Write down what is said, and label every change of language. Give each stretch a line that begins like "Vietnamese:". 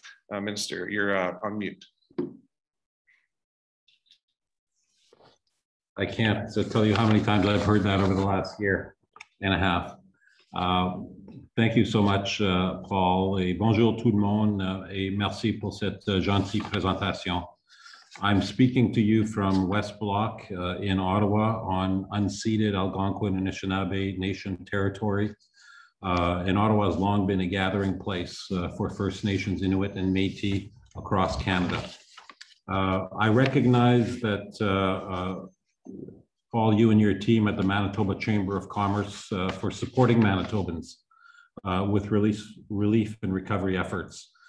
English: Minister, you're on mute. I can't tell you how many times I've heard that over the last year and a half. Thank you so much, Paul.
French: Et bonjour tout le monde et merci pour cette gentille présentation.
English: I'm speaking to you from West Block in Ottawa on unceded Algonquin and Anishinaabe Nation territory. And Ottawa has long been a gathering place for First Nations, Inuit, and Métis across Canada. I recognize that all you and your team at the Manitoba Chamber of Commerce for supporting Manitobans with relief and recovery efforts.